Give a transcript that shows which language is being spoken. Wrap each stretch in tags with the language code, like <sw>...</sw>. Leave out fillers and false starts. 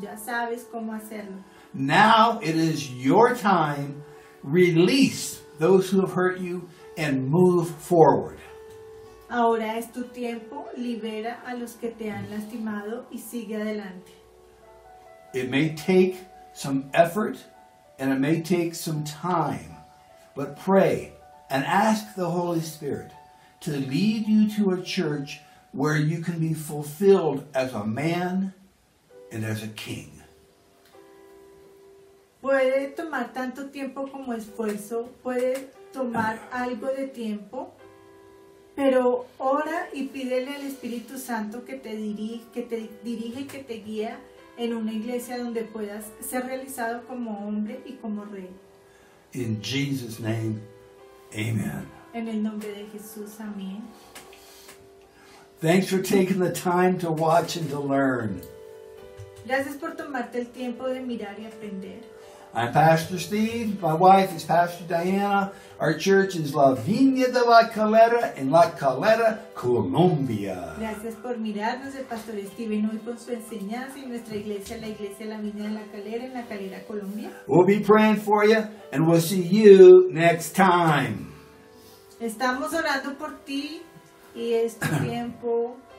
<es>Ya sabes cómo hacerlo.</es> <en>Now it is your time. Release those who have hurt you and move forward.</en> <es>Ahora es tu tiempo. Libera a los que te han lastimado y sigue adelante.</es> <en>It may take some effort and it may take some time, but pray and ask the Holy Spirit to lead you to a church where you can be fulfilled as a man and as a king.</en> <es>Puede tomar tanto tiempo como esfuerzo, puede tomar algo de tiempo, pero ora y pídele al Espíritu Santo que te dirige y que te guíe en una iglesia donde puedas ser realizado como hombre y como rey.</es> <en>In Jesus' name, amen.</en> <es>En el nombre de Jesús, amén.</es> <en>Thanks for taking the time to watch and to learn.</en> <es>Gracias por tomarte el tiempo de mirar y aprender.</es> <en>I'm Pastor Steve. My wife is Pastor Diana. Our church is La Viña de la Calera in La Calera, Colombia.</en> <es>Gracias por mirarnos, el Pastor Steven, hoy con su enseñanza en nuestra iglesia, la iglesia La Viña de la Calera en La Calera, Colombia.</es> <en>We'll be praying for you, and we'll see you next time.</en> <es>Estamos orando por ti y es tu tiempo.</es>